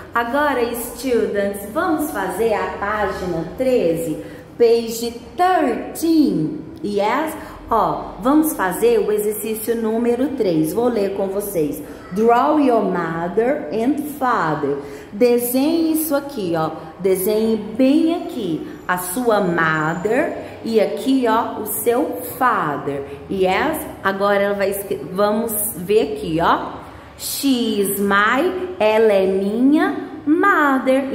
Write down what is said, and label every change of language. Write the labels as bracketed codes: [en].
[pt] Agora, students, vamos fazer a página 13, [en] page 13, yes? [pt] Ó, vamos fazer o exercício número 3. Vou ler com vocês. [en] Draw your mother and father. [pt] Desenhe isso aqui, ó. Desenhe bem aqui a sua mother e aqui, ó, o seu father. Yes? Agora ela vai vamos ver aqui, ó. [en] She is my, [pt] ela é minha mother.